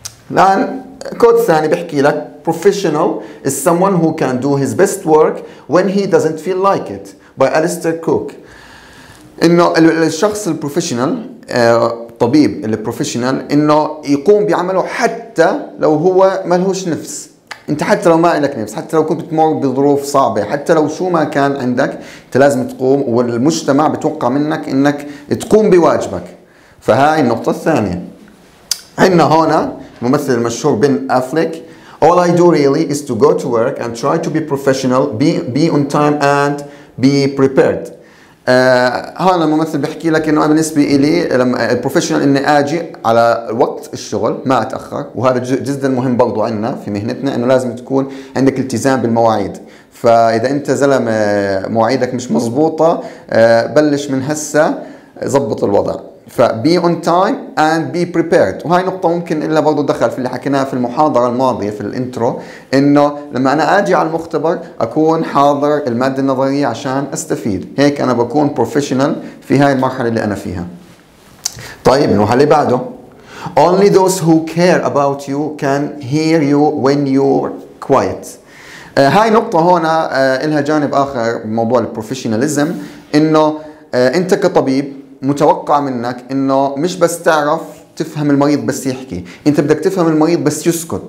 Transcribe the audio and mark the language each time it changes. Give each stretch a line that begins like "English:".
Arabic: الان كوت ثاني بحكي لك
English: professional is someone who can do his best work when he doesn't feel like it by Alistair Cook.
Arabic: انه الشخص البروفيشنال، الطبيب البروفيشنال، انه يقوم بعمله حتى لو هو ما لهوش نفس. انت حتى لو ما لك نفس، حتى لو كنت بتمر بظروف صعبة، حتى لو شو ما كان عندك، انت لازم تقوم، والمجتمع بتوقع منك انك تقوم بواجبك. فهاي النقطة الثانية. عندنا هنا الممثل المشهور بن أفليك.
English: All I do really is to go to work and try to be professional, be on time and be prepared.
Arabic: هنا الممثل بحكي لك إنه أنا بالنسبة إلي لما البروفيشنال إني أجي على وقت الشغل ما أتأخر، وهذا جزء مهم برضو عندنا في مهنتنا، إنه لازم تكون عندك التزام بالمواعيد. فإذا أنت زلم مواعيدك مش مظبوطة، بلش من هسه زبط الوضع.
English: فبي on time and be prepared.
Arabic: وهي نقطة ممكن إلا برضو دخل في اللي حكيناها في المحاضرة الماضية في الانترو، إنه لما أنا أجي على المختبر أكون حاضر المادة النظرية عشان أستفيد، هيك أنا بكون بروفيشنال في هاي المرحلة اللي أنا فيها. طيب نروح اللي بعده.
English: Only those who care about you can hear you when you're quiet.
Arabic: هاي نقطة هنا إلها جانب آخر بموضوع البروفيشناليزم، إنه أنت كطبيب متوقع منك إنه مش بس تعرف تفهم المريض بس يحكي، أنت بدك تفهم المريض بس يسكت.